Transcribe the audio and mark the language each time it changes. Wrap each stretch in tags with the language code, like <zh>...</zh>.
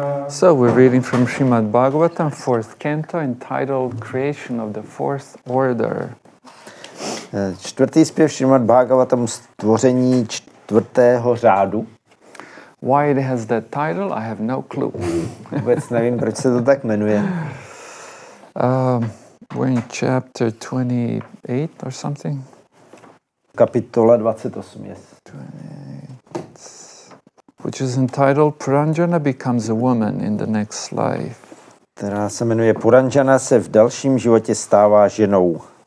<en>So we're reading from Srimad Bhagavatam, fourth canto, entitled Creation of the Fourth Order.</en> <cs>Čtvrtý zpěv Srimad Bhagavatam, stvoření čtvrtého řádu.</cs> <en>Why it has that title, I have no clue.</en> <cs>Vůbec nevím, proč se to tak jmenuje.</cs> <en>We're in chapter 28 or something.</en> <cs>Kapitola 28, yes.</cs> <en>28, which is entitled Puranjana becomes a woman in the next life.</en> <cs>Která se jmenuje Puranjana se v dalším životě stává ženou.</cs>